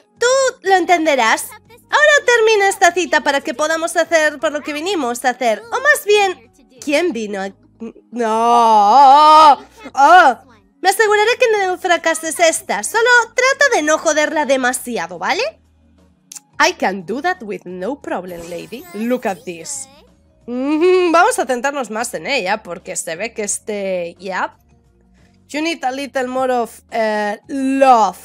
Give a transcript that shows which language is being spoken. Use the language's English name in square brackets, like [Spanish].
[Spanish] Tú lo entenderás. Ahora termina esta cita para que podamos hacer por lo que vinimos a hacer. O más bien, ¿quién vino aquí? ¡No! Me aseguraré que no fracases esta. Solo trata de no joderla demasiado, ¿vale? [English] I can do that with no problem, lady. Look at this. [Spanish] Vamos a centrarnos más en ella porque se ve que este... [English] Yep. You need a little more of love.